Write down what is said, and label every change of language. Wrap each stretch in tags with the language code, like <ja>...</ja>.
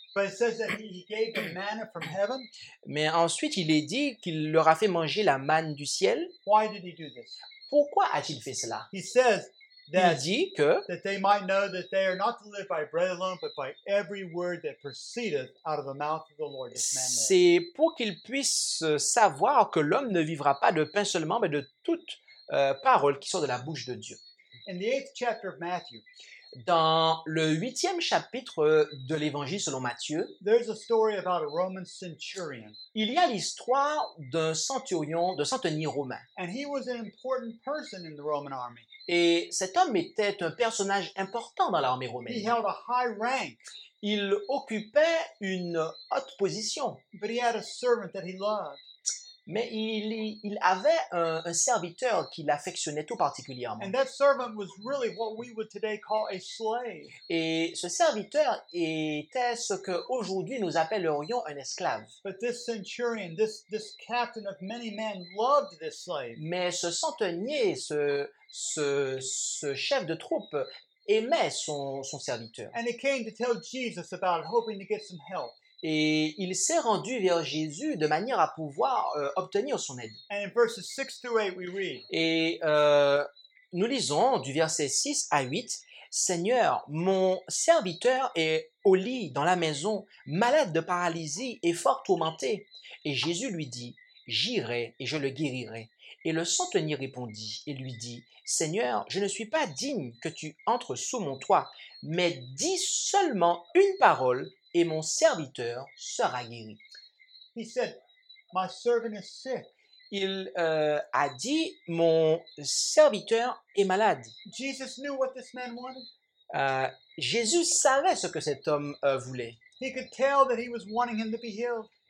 <en>But it says that he gave them manna from heaven.</en> <fr>Mais ensuite, il est dit qu'il leur a fait manger la manne du ciel.</fr> <en>Why did he do this?</en> <fr>Pourquoi a-t-il fait cela?</fr> <en>He says that,</en> <fr>il dit que</fr> <en>that they might know that they are not to live by bread alone, but by every word that proceedeth out of the mouth of the Lord.</en> <fr>C'est pour qu'ils puissent savoir que l'homme ne vivra pas de pain seulement, mais de toute parole qui sort de la bouche de Dieu.</fr> <en>In the eighth chapter of Matthew,</en> <fr>dans le huitième chapitre de l'Évangile selon Matthieu,</fr> <en>there's a story about a Roman centurion.</en> <fr>Il y a l'histoire d'un centurion, de centenier romain.</fr> <en>And he was an important person in the Roman army.</en> <fr>Et cet homme était un personnage important dans l'armée romaine.</fr> <en>He held a high rank.</en> <fr>Il occupait une haute position.</fr> <en>But he had a servant that he loved.</en> <fr>Mais il avait un serviteur qu'il affectionnait tout particulièrement.</fr> <en>And that servant was really what we would today call a slave.</en> <fr>Et ce serviteur était ce que aujourd'hui nous appellerions un esclave.</fr> <en>But this centurion, this captain of many men, loved this slave.</en> <fr>Mais ce centenier, ce chef de troupe aimait son serviteur.</fr> <en>And he came to tell Jesus about it, hoping to get some help.</en> <fr>Et il s'est rendu vers Jésus de manière à pouvoir obtenir son aide.</fr> <en>And in verses 6 through 8 we read.</en> <fr>Et nous lisons du verset 6 à 8. Seigneur, mon serviteur est au lit dans la maison, malade de paralysie et fort tourmenté. Et Jésus lui dit, j'irai et je le guérirai. Et le centenier répondit et lui dit, « Seigneur, je ne suis pas digne que tu entres sous mon toit, mais dis seulement une parole et mon serviteur sera guéri. »</fr> <en>He said, « My servant is sick. »</en> <fr>Il a dit, « Mon serviteur est malade. »</fr> <en>Jesus knew what this man wanted.</en> <fr>Jésus savait ce que cet homme voulait.</fr> <en>He could tell that he was wanting him to be healed.</en>